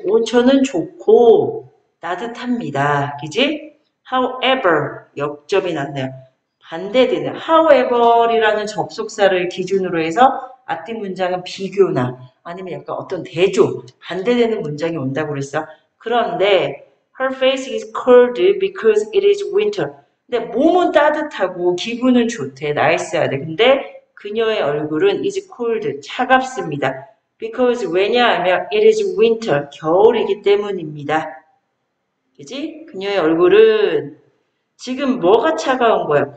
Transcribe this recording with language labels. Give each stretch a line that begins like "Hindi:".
Korean: 온천은 좋고 따뜻합니다. 그지? However, 역점이 났네요. 반대되는 However이라는 접속사를 기준으로 해서 앞뒤 문장은 비교나 아니면 약간 어떤 대조, 반대되는 문장이 온다고 그랬어.
English: 그런데 Her face is cold because it is winter.
Korean: 근데 몸은 따뜻하고 기분은 좋대. 나이스하대. 근데 그녀의 얼굴은
English: is cold.
Korean: 차갑습니다. Because 왜냐하면 it is winter, 겨울이기 때문입니다. 그지? 그녀의 얼굴은 지금 뭐가 차가운 거야?